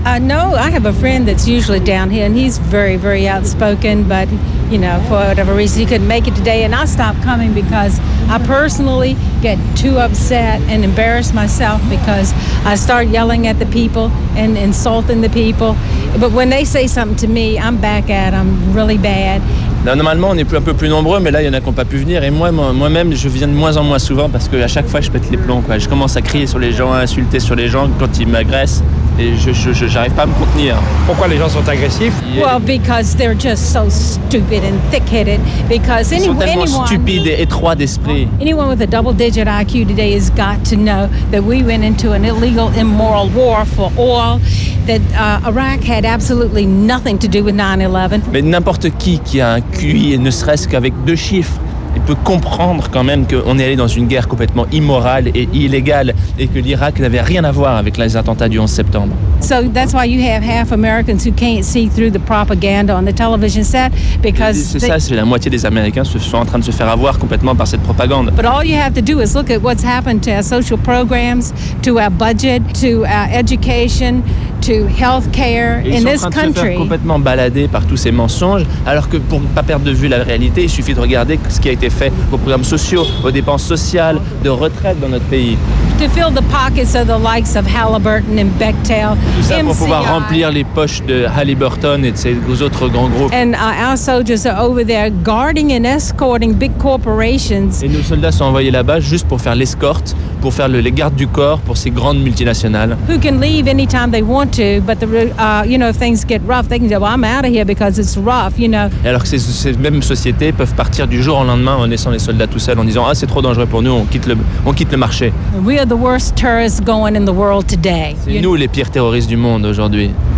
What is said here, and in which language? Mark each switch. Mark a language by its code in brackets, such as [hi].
[en] No, I have a friend that's usually down here, and he's very, very outspoken. But you know, for whatever reason, he couldn't make it today, and I stopped coming because I personally get too upset and embarrass myself because I start yelling at the people and insulting the people. But when they say something to me, I'm back at them really bad. [fr] Là, normalement, on est un peu plus nombreux, mais là, il y en a qui n'ont pas pu venir. Et moi-même, je viens de moins en moins souvent parce qu'à chaque fois, je pète les plombs, quoi. Je commence à crier sur les gens, à insulter sur les gens quand ils m'agressent. et je j'arrive pas à me contenir. Pourquoi les gens sont agressifs? [en] Well, because they're just so stupid and thick-headed. Because [fr] ils sont tellement stupides et étroits d'esprit. [en] Anyone with a double-digit IQ today has got to know that we went into an illegal, immoral war for oil. That Iraq had absolutely nothing to do with 9/11. [fr] Mais n'importe qui a un QI, ne serait-ce qu'avec deux chiffres, il peut comprendre quand même qu'on est allé dans une guerre complètement immorale et illégale et que l'Irak n'avait rien à voir avec les attentats du 11 septembre. [en] So that's why you have half Americans who can't see through the propaganda on the television set because [fr] c'est la moitié des Américains se sont en train de se faire avoir complètement par cette propagande. [en] But all you have to do is look at what's happened to our social programs, to our budget, to our education, to healthcare in this country. [fr] Ils sont en train de se faire complètement balader par tous ces mensonges, alors que pour pas perdre de vue la réalité, il suffit de regarder ce qui a été fait aux programmes sociaux, aux dépenses sociales, de retraite dans notre pays. [en] To fill the pockets of the likes of Halliburton and Bechtel. [fr] Tout ça pour pouvoir remplir les poches de Halliburton et de ces autres grands groupes. [en] And our soldiers are over there guarding and escorting big corporations. [fr] Et nos soldats sont envoyés là-bas juste pour faire l'escorte, pour faire les gardes du corps pour ces grandes multinationales. [en] Who can leave anytime they want to, but the you know, if things get rough, they can say, well, I'm out of here because it's rough, you know. [fr] Et alors que ces mêmes sociétés peuvent partir du jour au lendemain en laissant les soldats tout seuls en disant, ah, c'est trop dangereux pour nous, on quitte le marché. [en] We are the worst tourists going in the world today. [fr] C'est nous les pires terroristes du monde aujourd'hui.